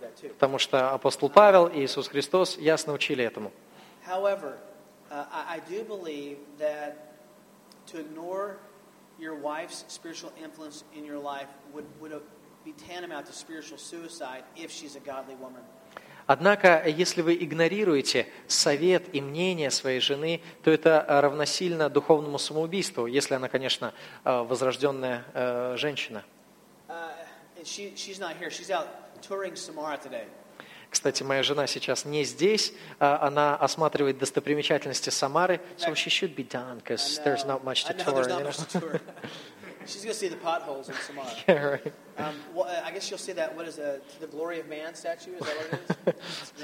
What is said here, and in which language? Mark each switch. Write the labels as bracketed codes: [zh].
[ru] Потому что апостол Павел и Иисус Христос ясно учили этому. [en] However, I do believe that to ignore your wife's spiritual influence in your life would be tantamount to spiritual suicide if she's a godly woman. [ru] Однако, если вы игнорируете совет и мнение своей жены, то это равносильно духовному самоубийству, если она, конечно, возрожденная женщина. [en] She's not here. She's out touring Samara today. [ru] Кстати, моя жена сейчас не здесь. Она осматривает достопримечательности Самары. [en] So she should be done, because there's not much to tour. There's not much to tour. She's going to see the potholes in Samara. Yeah, right. Well, I guess you'll see that, what is it, the Glory of Man statue? Is that what it is?